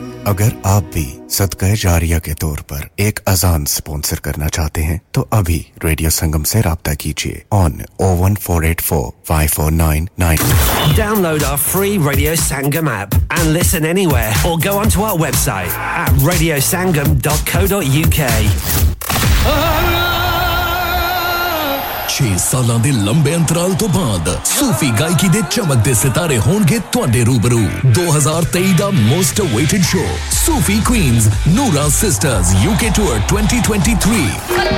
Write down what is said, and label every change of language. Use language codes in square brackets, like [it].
[ur] اگر آپ بھی صدقہ جاریہ کے طور پر ایک اذان سپونسر کرنا چاہتے ہیں تو ابھی ریڈیو سنگم سے رابطہ کیجئے on 01484-549-99 [en] Download our free Radio Sangam app and listen anywhere or go onto our website at radiosangam.co.uk [pa] چھ سالان دے لمبے انترال تو بعد صوفی گائکی دے چمک دے ستارے ہونگے توانڈے روبرو 2023 the most awaited show Sufi Queens Nora sisters UK tour 2023